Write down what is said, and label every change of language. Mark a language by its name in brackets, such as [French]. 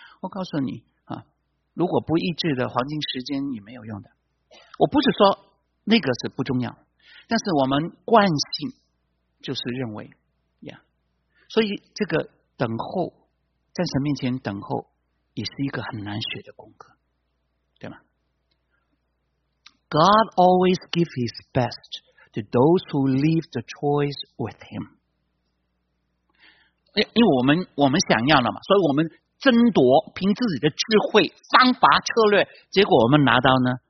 [Chinese] 我告诉你啊，如果不一致的黄金时间也没有用的。我不是说那个是不重要，但是我们惯性就是认为。所以这个等候，在神面前等候也是一个很难学的功课，对吗？ [English] God always gives his best to those who leave the choice with him。 [Chinese] 因为我们想要了嘛，所以我们争夺凭自己的智慧方法策略，结果我们拿到呢